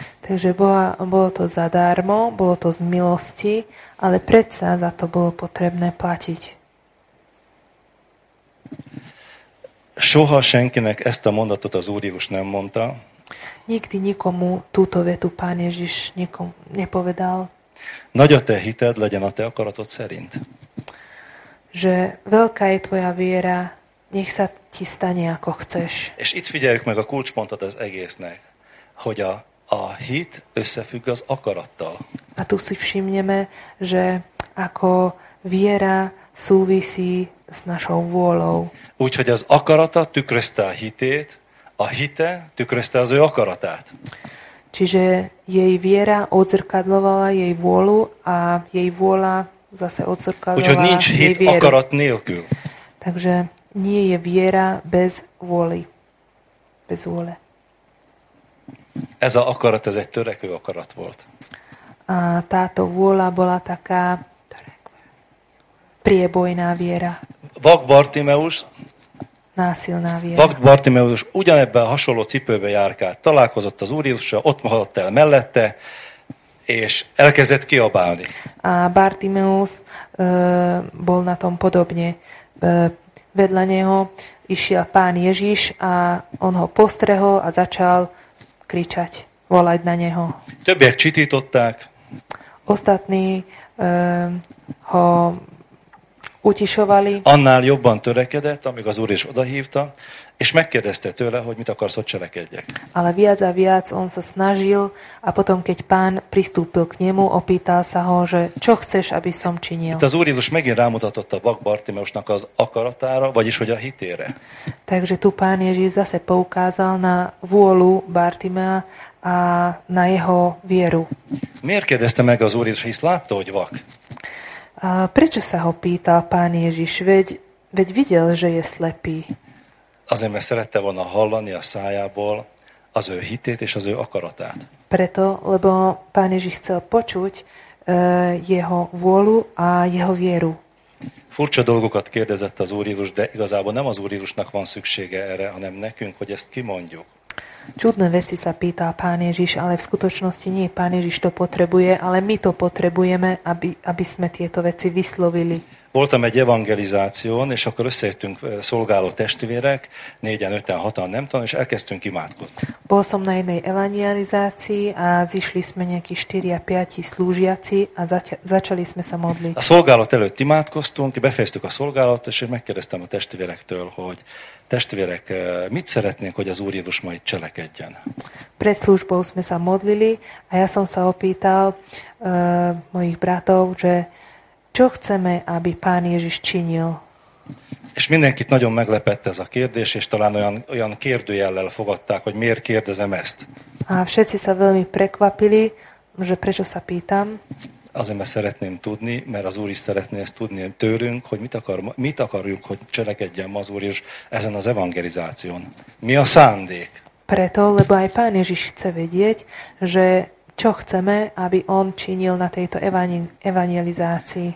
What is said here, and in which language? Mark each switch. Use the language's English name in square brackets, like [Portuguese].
[Slovak] Takže bolo to zadarmo, bolo to z milosti, ale predsa za to bolo potrebné platiť. [Hungarian] Soha senkinek ezt a mondatot az Úr Jézus nem mondta. [Slovak] Nikdy nikomu túto vetu Pán Ježiš nikomu nepovedal. [Hungarian] Nagy a te hited, legyen a te akaratod szerint. [Slovak] Že veľká je tvoja viera, nech sa ti stane, ako chceš. [Hungarian] És itt figyeljük meg a kulcspontot az egésznek, hogy a hit összefügg az akarattal. [Slovak] A tu si všimneme, že ako viera súvisí s našou vôľou. [Hungarian] Úgyhogy az akarata tükrözte a hitét, a hite tükrözte az ő akaratát. [Slovak] Čiže jej viera odzrkadlovala jej vôľu a jej vôľa zase odzrkadlovala jej vieru. [Hungarian] Úgyhogy nincs hit akarat nélkül. [Slovak] Takže nie je viera bez vôli. Bez vôle. [Hungarian] Ez a akarat, ez egy törekvő akarat volt. [Slovak] A táto vôľa bola taká priebojná viera. [Hungarian] Vak Bartimeus [Slovak] násilná viera. [Hungarian] Vakt Bartimeus ugyanebben hasonló cipőbe járkált, találkozott az Úr Jézussal, ott maradt el mellette, és elkezdett kiabálni. [Slovak] A Bartimeus bol na tom podobne. Vedla neho išiel pán Ježiš a on ho postrehol a začal kričať, volať na neho. [Hungarian] Többiek csitították. [Slovak] Ostatní ho utišovali. [Hungarian] Annál jobban törekedett, amíg az Úr is odahívta, és megkérdezte tőle, hogy mit akarsz, hogy cselekedjek. [Slovak] Ale viac a viac on sa snažil a potom, keď pán pristúpil k nemu, opýtal sa ho, že čo chceš, aby som činil. [Hungarian] Itt az Úr Jézus megint rámutatott a vak Bartimeusnak az akaratára, vagyis hogy a hitére. [Slovak] Takže tu pán Ježíš zase poukázal na vôľu Bartimea a na jeho vieru. [Hungarian] Miért kérdezte meg az Úr Jézus, hisz látta, hogy vak? [Slovak] A prečo sa ho pýtal pán Ježíš? Veď videl, že je slepý. [Hungarian] Azért, mert szerette volna hallani a szájából az ő hitét és az ő akaratát. [Slovak] Preto, lebo pán Ježíš chcel počuť jeho vôľu a jeho vieru. [Hungarian] Furcsa dolgokat kérdezett az Úr Jézus, de igazából nem az Úr Jézusnak van szüksége erre, hanem nekünk, hogy ezt kimondjuk. [Slovak] Čudné veci sa pýtal pán Ježíš, ale v skutočnosti nie, pán Ježíš to potrebuje, ale my to potrebujeme, aby sme tieto veci vyslovili. [Hungarian] Voltam egy evangelizáción, és akkor összejöttünk szolgáló testvérek, 4-5-6-an nem tudom, és elkezdtünk imádkozni. [Slovak] Bol som na jednej evangelizácii a zišli sme nejakí 4-5 slúžiaci a začali sme sa modliť. [Hungarian] A szolgálat előtt imádkoztunk, befejeztük a szolgálat, és megkérdeztem a testvérektől, hogy testvérek, mit szeretnénk, hogy az Úr Jézus ma itt cselekedjen? [Slovak] Pred službou sme sa modlili a ja som sa opýtal mojich bratov, že čo chceme, aby pán Ježiš činil? [Hungarian] És mindenkit nagyon meglepett ez a kérdés, és talán olyan kérdőjellel fogadták, hogy miért kérdezem ezt. [Slovak] A všetci sa veľmi prekvapili, že prečo sa pýtam. [Hungarian] Azért, mert szeretném tudni, mert az Úr is szeretné ezt tudni tőlünk, hogy mit akarjuk, hogy cselekedjen ma az Úr Jézus ezen az evangelizáción. Mi a szándék? [Slovak] Preto, lebo aj pán Ježiš chce vedieť, že čo chceme, aby on činil na tejto evangelizácii.